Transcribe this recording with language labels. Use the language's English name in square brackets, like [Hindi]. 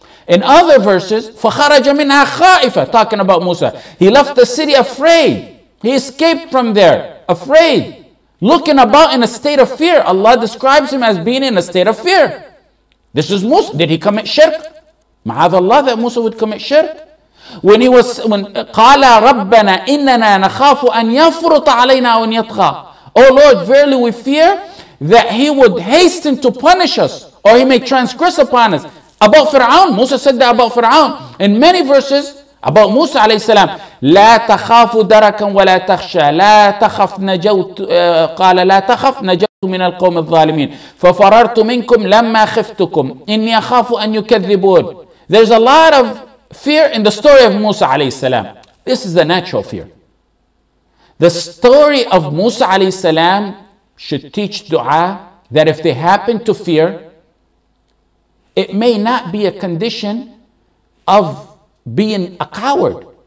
[English] In other verses, [Arabic] فَخَرَجَ مِنْهَا خَائِفًا. [English] Talking about Musa. He left the city afraid. He escaped from there, afraid. Looking about in a state of fear. Allah describes him as being in a state of fear. This is Musa. Did he commit shirk? Ma'ad Allah that Musa would commit shirk. [Arabic] When قَالَ رَبَّنَا إِنَّنَا نَخَافُ أَنْ يَفْرُطَ عَلَيْنَا أَوْ يَطْغَى. [English] Oh Lord, verily we fear that he would hasten to punish us, or he may transgress upon us. About Fir'aun, Musa said that about Fir'aun. In many verses about Musa alayhi salam, [Arabic] لَا تَخَافُ دَرَكًا وَلَا تَخْشَى لَا تَخَفْ نَجَوْتُ قَالَ لَا تَخَفْ نَجَوْتُ من القوم الظالمين ففررت منكم لما خفتكم إني أخاف أن يكذبون. [English] There's a lot of fear in the story of Musa alayhi salam. This is the natural fear. The story of Musa alayhi salam should teach dua that if they happen to fear, it may not be a condition of being a coward.